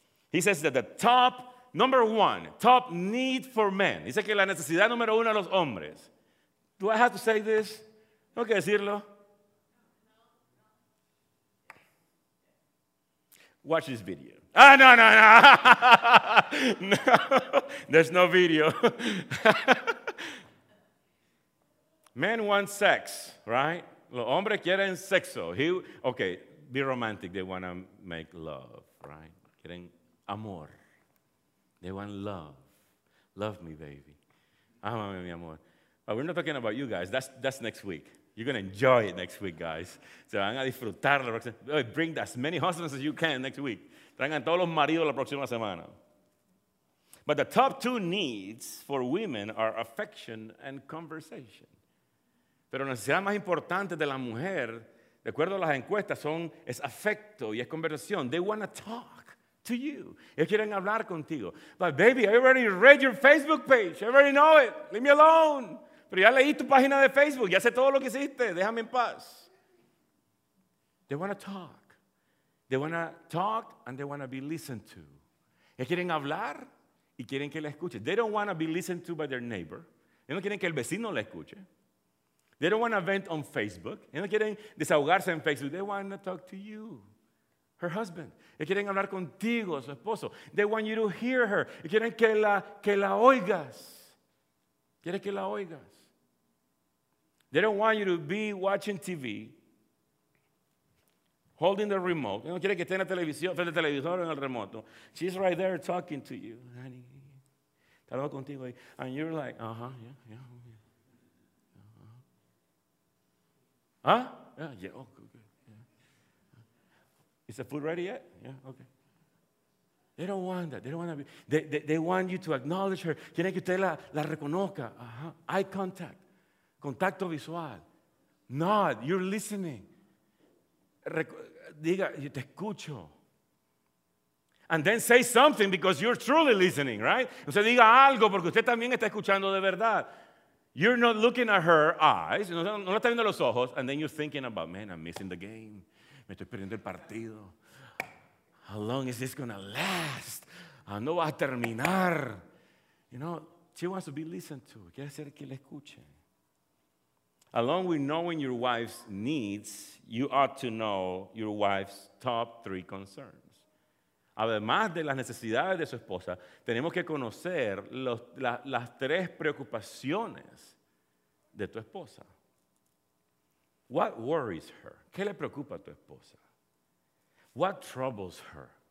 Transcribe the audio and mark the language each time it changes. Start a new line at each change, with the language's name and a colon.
English: He says that the top, number one, top need for men.
Spanish: Dice que la necesidad número uno a los hombres.
English: Do I have to say this?
Spanish: ¿Tengo que decirlo?
English: Watch this video. Ah, no, no, no. No. There's no video. Men want sex, right?
Spanish: Los hombres quieren sexo.
English: Okay, be romantic. They want to make love, right?
Spanish: Quieren amor.
English: They want love. Love me, baby.
Spanish: Amame, mi amor.
English: But we're not talking about you guys. That's next week. You're going to enjoy it next week, guys.
Spanish: Se van a disfrutar.
English: Bring as many husbands as you can next week.
Spanish: Traigan todos los maridos la próxima semana.
English: But the top two needs for women are affection and conversation.
Spanish: Pero la necesidad más importante de la mujer, de acuerdo a las encuestas, es afecto y es conversación.
English: They want to talk to you.
Spanish: Ellos quieren hablar contigo.
English: But baby, I already read your Facebook page. I already know it. Leave me alone.
Spanish: Pero ya leí tu página de Facebook. Ya sé todo lo que hiciste. Déjame en paz.
English: They want to talk. They want to talk and they want to be listened to.
Spanish: Ellos quieren hablar y quieren que la escuchen.
English: They don't want to be listened to by their neighbor.
Spanish: Ellos no quieren que el vecino la escuche.
English: They don't want to vent on Facebook.
Spanish: Ellos no quieren desahogarse en Facebook.
English: They want to talk to you, her husband.
Spanish: Ellos quieren hablar contigo, su esposo.
English: They want you to hear her.
Spanish: Ellos quieren que la oigas. Quieren que la oigas.
English: They don't want you to be watching TV, holding the remote.
Spanish: Ellos no quieren que esté en la televisión, frente al televisor o en el remoto.
English: She's right there talking to you, honey.
Spanish: Está hablando contigo.
English: And you're like, uh-huh, yeah, yeah. Huh? Yeah, yeah, oh, good, good. Yeah. Is the food ready yet? Yeah, okay. They don't want that. They don't want to be. They want you to acknowledge her.
Spanish: Quieren que usted la reconozca.
English: Uh-huh. Eye contact.
Spanish: Contacto visual.
English: Nod. You're listening.
Spanish: Diga, yo te escucho.
English: And then say something because you're truly listening, right?
Spanish: Usted diga algo porque usted también está escuchando de verdad.
English: You're not looking at her eyes,
Spanish: no la está viendo los ojos,
English: and then you're thinking about, man, I'm missing the game.
Spanish: Me estoy perdiendo el partido.
English: How long is this going to last?
Spanish: no va a terminar.
English: You know, she wants to be listened to.
Spanish: Quiere ser que le escuche.
English: Along with knowing your wife's needs, you ought to know your wife's top three concerns.
Spanish: Además de las necesidades de su esposa, tenemos que conocer las tres preocupaciones de tu esposa.
English: What worries her?
Spanish: ¿Qué le preocupa a tu esposa?
English: What troubles her?